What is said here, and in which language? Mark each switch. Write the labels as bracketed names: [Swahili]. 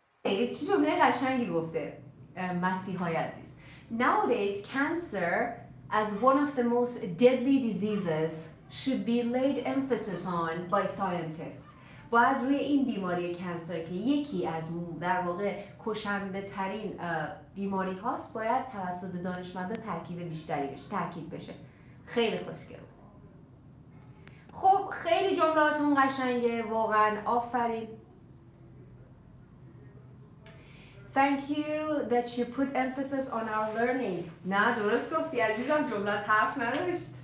[Persian] Is چی جمله قشنگی گفته مسیحای عزیز. [English] Nowadays, cancer as one of the most deadly diseases should be laid emphasis on by scientists. [Persian] باید روی این بیماری کانسر که یکی از در واقع کشنده ترین بیماری هاست باید توسط دانشمندا تاکید بیشتری بشه، تاکید بشه. خیلی خوشگل. خب خیلی جملاتون قشنگه واقعا آفرین. [English] Thank you that you put emphasis on our learning. [Persian] نه درست گفتی عزیزم جملات حرف نداشت.